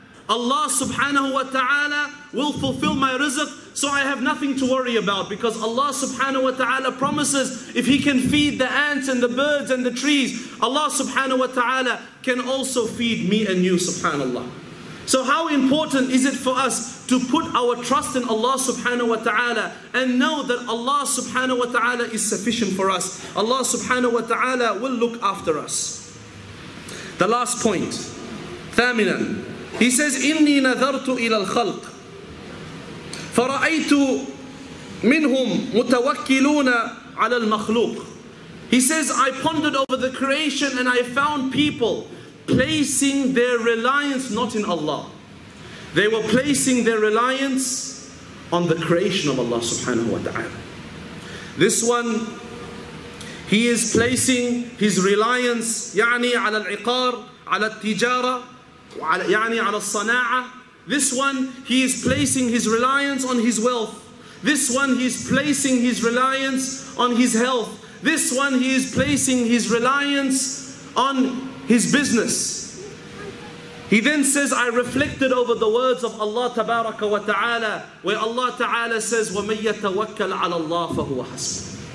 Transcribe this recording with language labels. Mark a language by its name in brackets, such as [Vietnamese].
[English] Allah subhanahu wa ta'ala will fulfill my rizq, so I have nothing to worry about, because Allah subhanahu wa ta'ala promises if he can feed the ants and the birds and the trees, Allah subhanahu wa ta'ala can also feed me and you, subhanallah. So how important is it for us to put our trust in Allah subhanahu wa ta'ala and know that Allah subhanahu wa ta'ala is sufficient for us. Allah subhanahu wa ta'ala will look after us. The last point, thaminan. He says, [Arabic] إِنِّي نَذَرْتُ إِلَى الْخَلْقِ فَرَأَيْتُ مِنْهُمْ مُتَوَكِّلُونَ عَلَى الْمَخْلُوقِ. [English] He says, I pondered over the creation and I found people placing their reliance not in Allah. They were placing their reliance on the creation of Allah subhanahu wa ta'ala. This one, he is placing his reliance, [Arabic] يعني على العقار, على التجارة, يعني على الصناعة. [English] This one, he is placing his reliance on his wealth. This one, he is placing his reliance on his health. This one, he is placing his reliance on his business. He then says, I reflected over the words of Allah tabaraka wa ta'ala, where Allah ta'ala says, [Arabic] وَمَنْ يَتَوَكَّلْ عَلَى اللَّهِ فَهُوَ حَسْبُهُ.